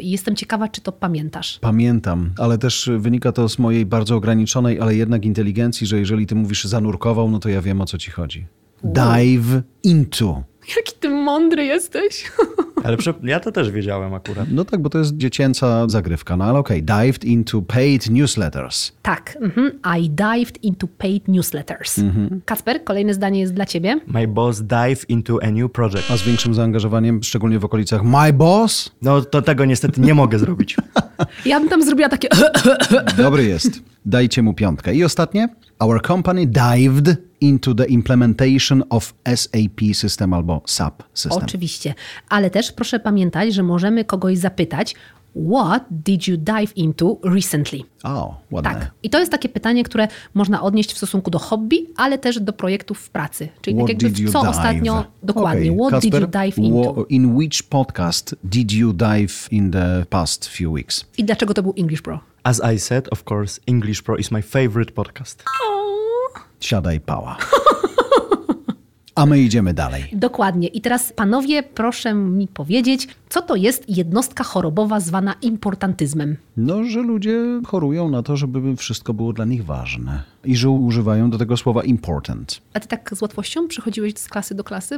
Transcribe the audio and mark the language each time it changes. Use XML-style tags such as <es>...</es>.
<pl>I jestem ciekawa, czy to pamiętasz. Pamiętam, ale też wynika to z mojej bardzo ograniczonej, ale jednak inteligencji, że jeżeli ty mówisz zanurkował, no to ja wiem, o co ci chodzi.</pl> <en>Dive into.</en> <pl>Jaki ty mądry jesteś. Ale ja to też wiedziałem akurat. No tak, bo to jest dziecięca zagrywka. No ale okej,</pl> <en>dived into paid newsletters.</en> <pl>Tak,</pl> <en>I dived into paid newsletters.</en> <pl>Kacper, kolejne zdanie jest dla ciebie.</pl> <en>My boss dive into a new project.</en> <pl>A z większym zaangażowaniem, szczególnie w okolicach</pl> <en>my boss?</en> <pl>No to tego niestety nie mogę zrobić. Ja bym tam zrobiła takie... Dobry jest. Dajcie mu piątkę. I ostatnie.</pl> <en>Our company dived into the implementation of SAP system albo SAP system.</en> <pl>Oczywiście. Ale też proszę pamiętać, że możemy kogoś zapytać,</pl> <en>what did you dive into recently?</en> <pl>Oh, ładne. Tak. I to jest takie pytanie, które można odnieść w stosunku do hobby, ale też do projektów w pracy. Czyli</pl> <en>what</en> <pl>tak jakby, co</pl> <en>dive?</en> <pl>Ostatnio dokładnie.</pl> <en>Okay. What</en> <pl>Kasper,</pl> <en>did you dive into? In which podcast did you dive in the past few weeks?</en> <pl>I dlaczego to był English Pro?</pl> <en>As I said, of course, English Pro is my favorite podcast.</en> <pl>Siadaj, pała. A my idziemy dalej. Dokładnie. I teraz, panowie, proszę mi powiedzieć, co to jest jednostka chorobowa zwana importantyzmem? No, że ludzie chorują na to, żeby wszystko było dla nich ważne. I że używają do tego słowa important. A ty tak z łatwością przychodziłeś z klasy do klasy?</pl>